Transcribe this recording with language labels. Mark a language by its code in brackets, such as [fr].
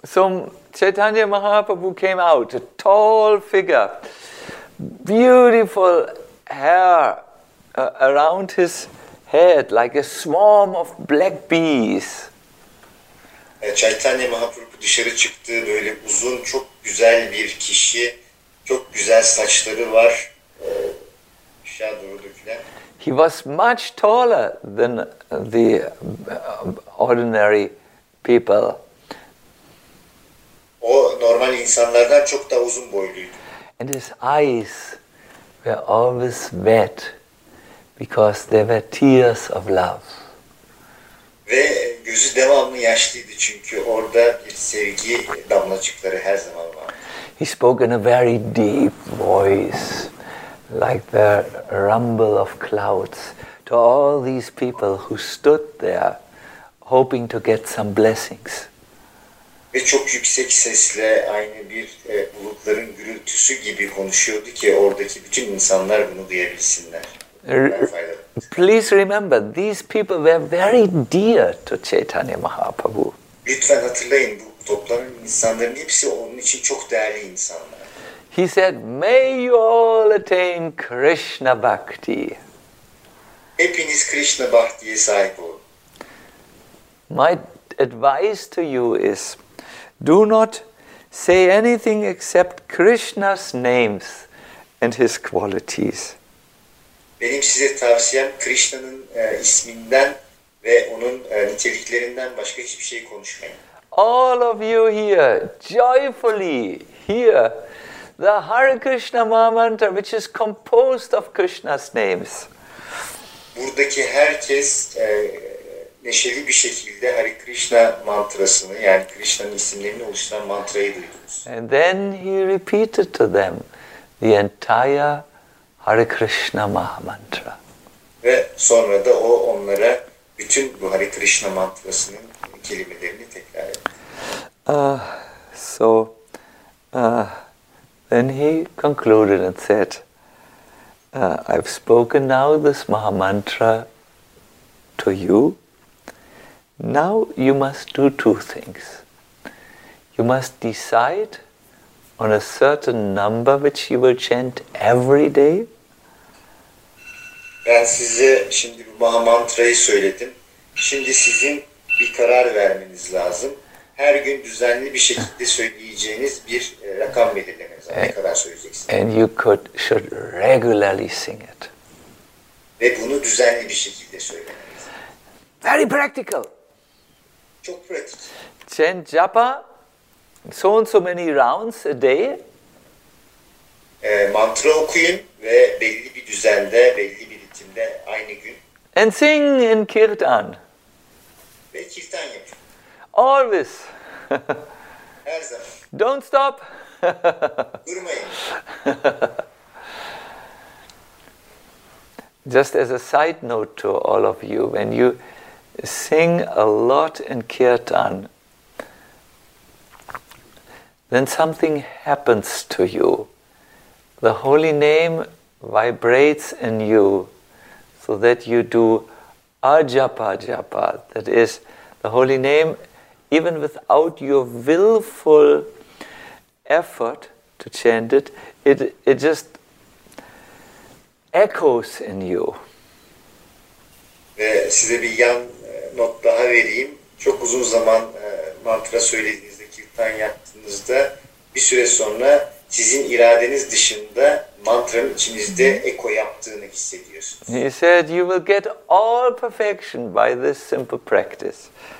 [en] So Chaitanya Mahaprabhu came out, a tall figure, beautiful hair around his head, like a swarm of black bees. [tr] Chaitanya Mahaprabhu dışarı çıktı, böyle uzun, çok güzel bir kişi, çok güzel saçları var, aşağı doğru dökülen. [en] He was much taller than the ordinary people. [tr] O normal insanlardan çok daha uzun boyluydu. [en] And his eyes were always wet because there were tears of love. [tr] Ve gözü devamlı yaşlıydı çünkü orada bir sevgi damlacıkları her zaman vardı. [en] He spoke in a very deep voice, like the rumble of clouds, to all these people who stood there hoping to get some blessings. [tr] Ve çok yüksek sesle aynı bir bulutların gürültüsü gibi konuşuyordu ki oradaki bütün insanlar bunu duyabilsinler. [en] Please remember, these people were very dear to Chaitanya Mahaprabhu. [tr] Lütfen hatırlayın, bu toplanan insanların hepsi onun için çok değerli insanlar. [en] He said, may you all attain Krishna Bhakti. [tr] Hepiniz Krishna Bhakti'ye sahip olun. [en] My advice to you is, do not say anything except Krishna's names and his qualities. [tr] Benim size tavsiyem Krishna'nın isminden ve onun niteliklerinden başka hiçbir şey konuşmayın. [en] All of you here, joyfully here, the Hare Krishna mantra, which is composed of Krishna's names. [tr] Buradaki herkes neşeli bir şekilde Hare Krishna mantrasını, yani Krishna'nın isimlerini oluşturan mantrayı duydunuz. [en] And then he repeated to them the entire Hare Krishna mantra. [tr] Ve sonra da o onlara bütün bu Hare Krishna mantrasının kelimelerini tekrar etti. [en] Then he concluded and said, I've spoken now this Mahamantra to you. Now you must do two things. You must decide on a certain number which you will chant every day. [tr] Ben size şimdi bu Mahamantrayı söyledim. Şimdi sizin bir karar vermeniz lazım. Her gün düzenli bir şekilde söyleyeceğiniz bir rakam belirlemeniz lazım. Ne kadar söyleyeceksiniz? [en] And you should regularly sing it. [tr] Ve bunu düzenli bir şekilde söylemeniz. [en] Very practical. [tr] Çok pratik. [en] Chant japa so and so many rounds a day. [tr] Mantra okuyun ve belli bir düzende, belli bir ritimde aynı gün. [en] And sing in kirtan. [tr] Ve kirtan yapın. [en] Always. [tr] Her zaman. [en] Don't stop. [tr] Durmayın. [en] Just as a side note to all of you, when you sing a lot in kirtan, then something happens to you. The holy name vibrates in you so that you do ajapa japa. That is, the holy name, even without your willful effort to chant it, it just echoes in you. [tr] Ve size bir yan not daha vereyim. Çok uzun zaman mantra söylediğinizde, kirtan yaptığınızda bir süre sonra sizin iradeniz dışında mantranın içinizde eko yaptığını hissediyorsunuz. [en] He said you will get all perfection by this simple practice.